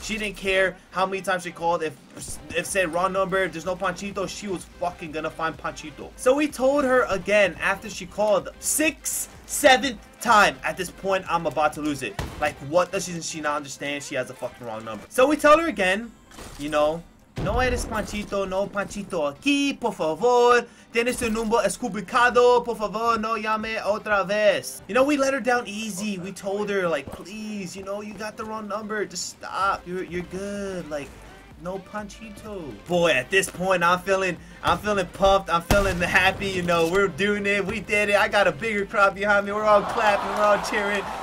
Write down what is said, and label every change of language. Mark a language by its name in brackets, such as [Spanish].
[English] She didn't care how many times she called. If said wrong number, if there's no Panchito, she was fucking gonna find Panchito. So we told her again after she called 6th, 7th time. At this point, I'm about to lose it. Like, what does she not understand? She has a fucking wrong number. So we tell her again, you know, [Spanish] No eres Panchito, no Panchito aquí, por favor. Tienes tu número escubicado, por favor, no llame otra vez. [English] You know, we let her down easy. We told her, like, please, you know, you got the wrong number. Just stop. You're good. Like, no Panchito. Boy, at this point, I'm feeling pumped. I'm feeling happy, you know. We're doing it. We did it. I got a bigger crowd behind me. We're all clapping. We're all cheering.